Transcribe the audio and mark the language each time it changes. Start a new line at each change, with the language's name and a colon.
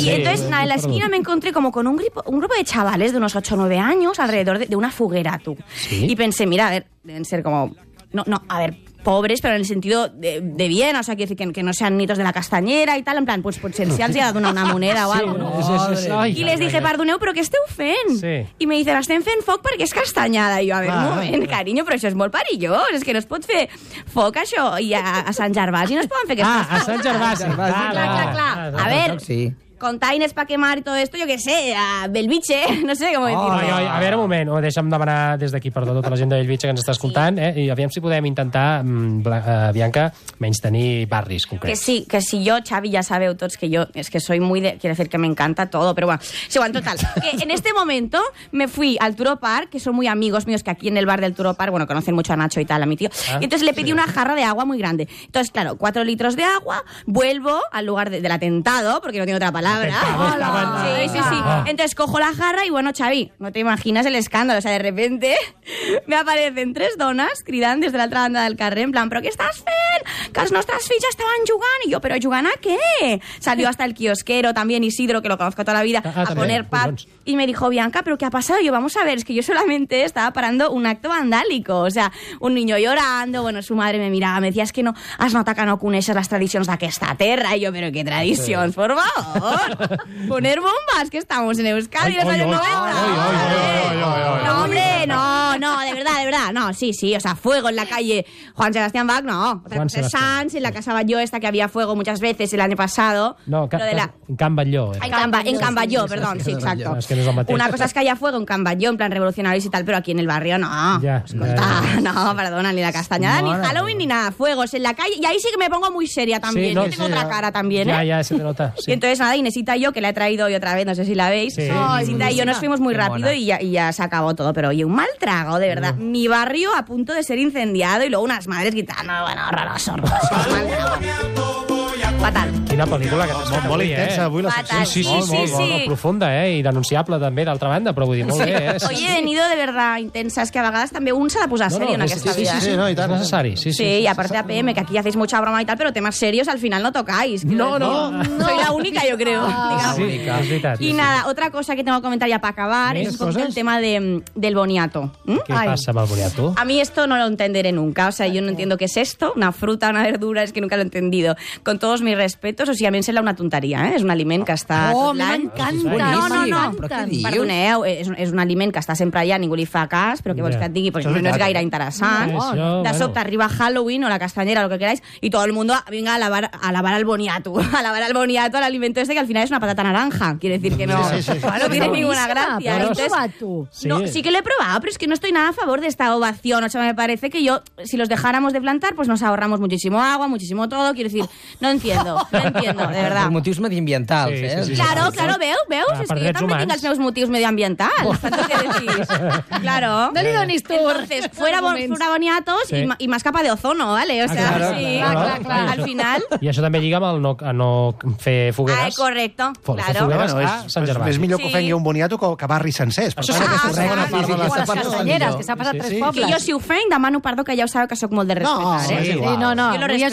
Spanish: Y entonces, nada, en la esquina me encontré como con un grupo de chavales de unos 8 o 9 años alrededor de una foguera, tú. ¿Sí? Y pensé, mira, a ver, deben ser como... No, a ver... pobres, pero en el sentido de bien, o sea, quiero decir que no sean nietos de la castañera y tal, en plan, pues
Catalan: si els hi ha donat
Spanish: una moneda o algo, ¿no? Sí, y les dije,
Catalan: perdoneu, però què esteu fent?
Spanish: Sí. Y me dicen,
Catalan: estem fent foc perquè és castanyada. I jo, a ver, moment, cariño, però això és molt perillós, és que no es pot fer foc, això, i a Sant Gervasi no es poden fer aquestes coses. A Sant Gervasi. Clar. A ver,
Spanish: containers pa quemar y todo esto, yo qué sé, a Bellvitge, no sé cómo decirlo.
Catalan: Ai, a veure, un moment, deixa'm demanar des d'aquí, perdó, tota la gent de Bellvitge que ens està escoltant, sí. I aviam si podem intentar, Bianca, menys tenir barris concrets. Que si jo, Xavi, ja sabeu tots que jo, és que
Spanish: soy muy de... Quiero decir que me encanta todo, pero bueno. Sí, bueno, total, que en este momento me fui al Turo Park, que son muy amigos míos que aquí en el bar del Turo Park, bueno, conocen mucho a Nacho y tal, a mi tío, y entonces le pedí una jarra de agua muy grande. Entonces, claro, 4 litros de agua, vuelvo al lugar del atentado, porque no tengo otra palabra. Sí. Entonces cojo la jarra y bueno, Xavi, no te imaginas el escándalo. O sea, de repente me aparecen
Catalan: 3 dones cridant des de l'altra banda del carrer, en plan, però què estàs fent? Que els nostres fills estaven jugant. I jo, però jugant a què?
Spanish: Salió hasta el quiosquero, también Isidro, que lo conozco toda la vida, a poner pan. Y me dijo, Bianca, ¿pero qué ha pasado? Yo, vamos a ver, es que yo solamente estaba parando un acto vandálico. O sea, un niño llorando, bueno, su madre me miraba, me decía, es que no,
Catalan: has notat que no coneixes les tradicions d'aquesta terra. I jo, però què tradicions, por favor?
Spanish: Poner bombas, que estamos en Euskadi, en los años 90. No, hombre, no, no, de verdad, no, sí, o sea, fuego en la calle Juan Sebastián Bach, no. De Sants, en la casa Batlló esta que había fuego muchas veces el año pasado. No, en Can Batlló. En Can Batlló, perdón, sí, exacto. Una cosa es que haya fuego en Can Batlló, en plan revolucionarios y tal, pero aquí en el barrio no. No, perdona, ni la castañada, ni Halloween, ni nada, fuegos en la calle. Y ahí sí que me pongo muy seria también, yo tengo otra cara también. Ya, se te nota. Y entonces nada, Inesita y yo, que la he traído hoy otra vez, no sé si la veis. Inesita y yo nos fuimos muy rápido y ya se acabó todo, pero oye, un mal trago, de verdad. Mi barrio a punto de ser incendiado y luego unas madres gritando, bueno, horroroso. Fatal.
Catalan: Quina pel·lícula que t'has molt intensa, avui la secció. Molt profunda, i denunciable també, d'altra banda, però vull dir, molt bé.
Spanish: Hoy he venido de verdad intensa,
Catalan: es que a vegades també un s'ha de posar seri en aquesta vida. Sí, no, i tant. Necessari, sí. Sí, i a part de APM,
Spanish: que aquí hacéis mucha broma
Catalan: i tal, però temes serios al final no tocáis. No.
Spanish: Soy la única, yo creo. Sí, y nada, otra cosa que tengo que comentar ya para acabar es un poquito el tema del boniato. ¿Qué pasa amb el boniato? A mí esto no lo entenderé nunca, o sea, yo no entiendo qué es esto, una fruta, una verdura, es que nunca lo he entendido. Con todos mis respetos, o sea,
Catalan: a mí me sembla una tonteria,
Spanish: ¿eh? Es un aliment que está...
Catalan: Oh, m'encanta! No. Perdoneu, és un aliment que està sempre allà, ningú li fa cas, però què vols que et digui? Perquè no és gaire interessant. De sobte arriba Halloween o la castanyera,
Spanish: lo que queráis, y todo el mundo venga a lavar al boniato, al alimento este, que al final es una patata naranja. Quiere decir que no, no tiene ninguna gracia. ¿Lo has probado? Sí que lo he probado, pero es que no estoy nada a favor de esta ovación. O sea, me parece que yo, si los dejáramos de plantar, pues nos ahorramos muchísimo agua, muchísimo todo. Quiero decir, no entiendo, de verdad. Por motivos medioambientals,
Catalan: Claro, veus?
Spanish: Es que yo también tengo
Catalan: los meus motivos medioambientals.
Spanish: Claro.
Catalan: No le donis tú.
Spanish: Entonces, fuera boniatos y más capa de ozono, ¿vale? O sea, claro. Al final...
Catalan: Y eso también lliga amb el no fer fogueres.
Spanish: Ah, correcto. Claro.
Catalan: Fer fogueres a Sant Germà. És millor que ofengui un boniato que barri sencers. Això sí, correcte. O les castanyeres, que s'ha passat 3 pobles. Que jo, si ofenc, demano perdó, que ja ho sabeu que soc molt de respetar. No,